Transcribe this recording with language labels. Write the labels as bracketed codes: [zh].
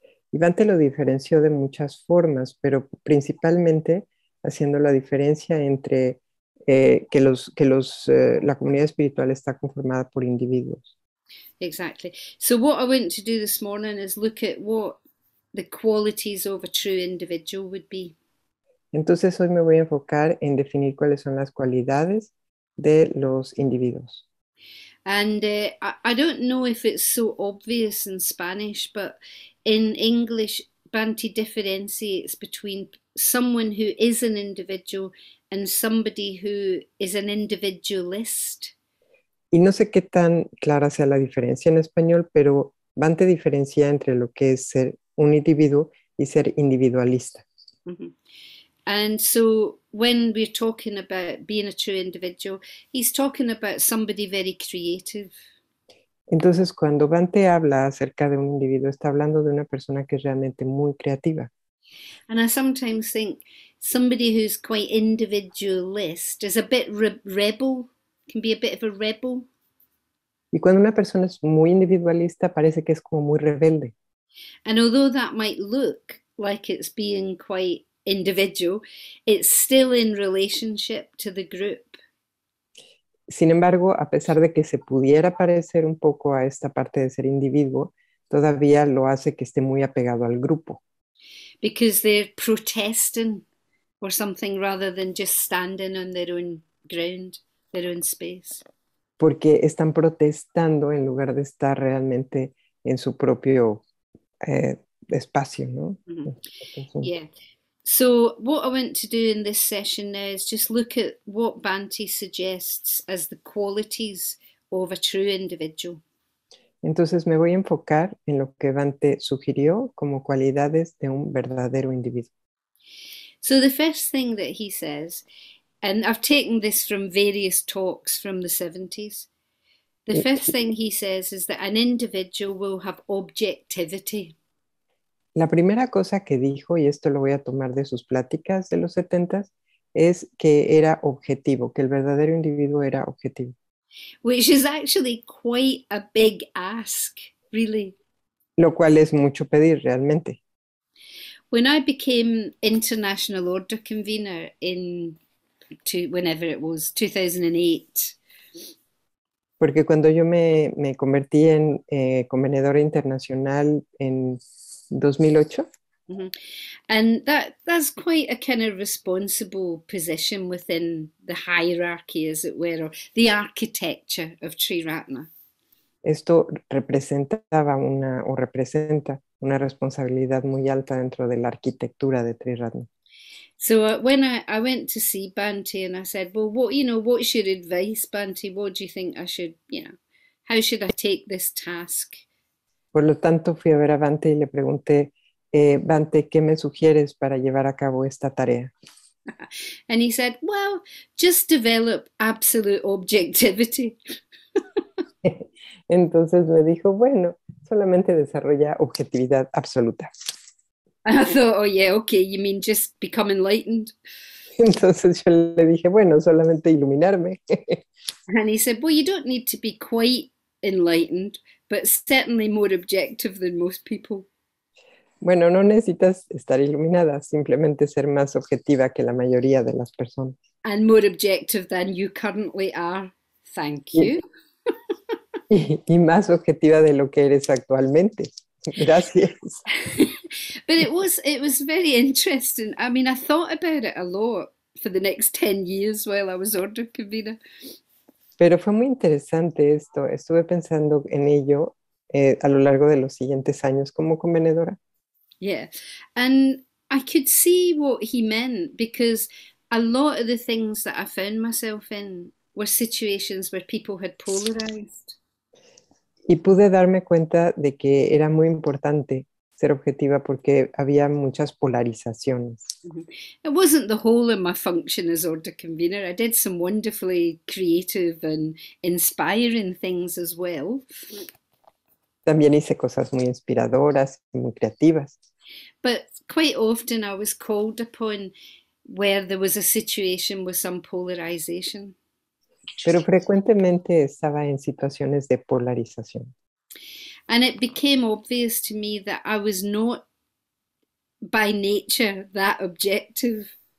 [es] Y Dante lo diferenció de muchas formas, pero principalmente haciendo la diferencia entre la comunidad espiritual está conformada por individuos. [en] Exactly. So what I want to do this morning is look at what the qualities of a true individual would be. [es] Entonces hoy me voy a enfocar en definir cuáles son las cualidades de los individuos. [en] And I don't know if it's so obvious in Spanish, but in English, Bhante differentiates between someone who is an individual and somebody who is an individualist. [es] Y no sé qué tan clara sea la diferencia en español, pero Dante diferencia entre lo que es ser un individuo y ser individualista. [en] And so when we're talking about being a true individual, he's talking about somebody very creative. [es] Entonces, cuando Dante habla acerca de un individuo, está hablando de una persona que es realmente muy creativa. [en] And I sometimes think somebody who's quite individualist is a bit re rebel, can be a bit of a rebel. [es] Y cuando una persona es muy individualista, parece que es como muy rebelde. [en] And although that might look like it's being quite individual, it's still in relationship to the group. [es] Sin embargo, a pesar de que se pudiera parecer un poco a esta parte de ser individuo, todavía lo hace que esté muy apegado al grupo. [en] Because they're protesting or something rather than just standing on their own ground, their own space. [es] Porque están protestando en lugar de estar realmente en su propio espacio, ¿no? [en] Yeah. So what I want to do in this session now is just look at what Bhante suggests as the qualities of a true individual. [es] Entonces me voy a enfocar en lo que Dante sugirió como cualidades de un verdadero individuo. [en] So the first thing that he says, and I've taken this from various talks from the 70s, the first thing he says is that an individual will have objectivity. [es] La primera cosa que dijo, y esto lo voy a tomar de sus pláticas de los 70s, es que era objetivo, que el verdadero individuo era objetivo. [en] Which is actually quite a big ask, really. [es] Lo cual es mucho pedir realmente. [en] When I became International Order Convenor in to whenever it was 2008. [es] Porque cuando yo me convertí en convenedora internacional en 2008. [en] And that's quite a kind of responsible position within the hierarchy, as it were, or the architecture of Triratna. [es] Esto representaba una o representa una responsabilidad muy alta dentro de la arquitectura de Triratna. [en] So when I went to see Bhante and I said, well, what, you know, what's your advice, Bhante? What do you think I should, you know, how should I take this task? [es] Por lo tanto, fui a ver a Dante y le pregunté, Bante, ¿qué me sugieres para llevar a cabo esta tarea? [en] And he said, well, just develop absolute objectivity. [es] Entonces me dijo, bueno, solamente desarrolla objetividad absoluta. [en] I thought, oh yeah, okay, you mean just become enlightened? [es] Entonces yo le dije, bueno, solamente iluminarme. [en] And he said, well, you don't need to be quite enlightened, but certainly more objective than most people. [es] Bueno, no necesitas estar iluminada, simplemente ser más objetiva que la mayoría de las personas. [en] And more objective than you currently are, thank you. [es] Y más objetiva de lo que eres actualmente. Gracias. [en] It was very interesting. I mean, I thought about it a lot for the next 10 years while I was order convener. [es] Pero fue muy interesante esto. Estuve pensando en ello a lo largo de los siguientes años como convenedora. [en] Yeah, and I could see what he meant because a lot of the things that I found myself in were situations where people had polarized. [es] Y pude darme cuenta de que era muy importante ser objetiva porque había muchas polarizaciones. [en] It wasn't the whole of my function as order convener. I did some wonderfully creative and inspiring things as well. [es] También hice cosas muy inspiradoras y muy creativas. [en] But quite often I was called upon where there was a situation with some polarization. [es] Pero frecuentemente estaba en situaciones de polarización. [en] And it became obvious to me that I was not by nature that objective.